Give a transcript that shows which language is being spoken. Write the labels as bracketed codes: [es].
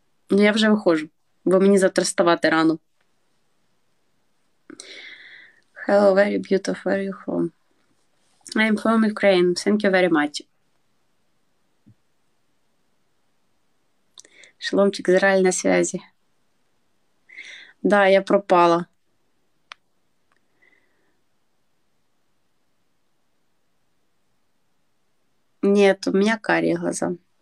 [uk] Ну, я вже виходжу, бо мені завтра вставати рано. [en] Hello, very beautiful, where are you from? I'm from Ukraine, thank you very much. [uk] Шломчик, Ізраїль на зв'язі. [ru] Да, я пропала. Нет, у меня карие глаза.